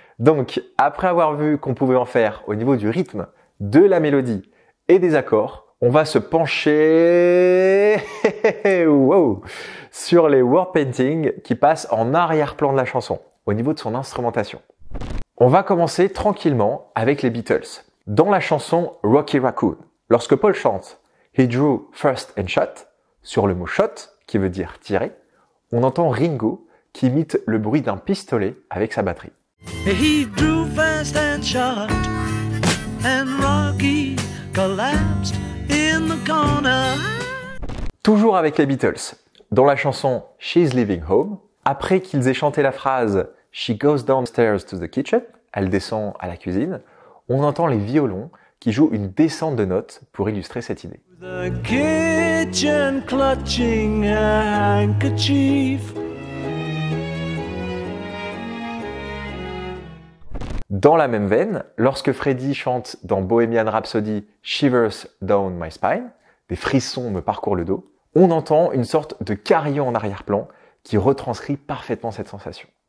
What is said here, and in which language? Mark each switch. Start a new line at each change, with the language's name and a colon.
French: Donc, après avoir vu qu'on pouvait en faire au niveau du rythme, de la mélodie et des accords, on va se pencher wow sur les world painting qui passent en arrière-plan de la chanson, au niveau de son instrumentation. On va commencer tranquillement avec les Beatles. Dans la chanson Rocky Raccoon, lorsque Paul chante «
English: He drew first and shot
French: », sur le mot « shot », qui veut dire « tirer », on entend Ringo qui imite le bruit d'un pistolet avec sa batterie.
English: He drew first and shot, and Rocky collapsed in the corner.
French: Toujours avec les Beatles, dans la chanson « She's leaving home », après qu'ils aient chanté la phrase «
English: She goes downstairs to the kitchen
French: », elle descend à la cuisine, on entend les violons qui jouent une descente de notes pour illustrer cette idée.
English: The kitchen clutching a handkerchief.
French: Dans la même veine, lorsque Freddie chante dans Bohemian Rhapsody «
English: Shivers down my spine
French: », des frissons me parcourent le dos, on entend une sorte de carillon en arrière-plan qui retranscrit parfaitement cette sensation.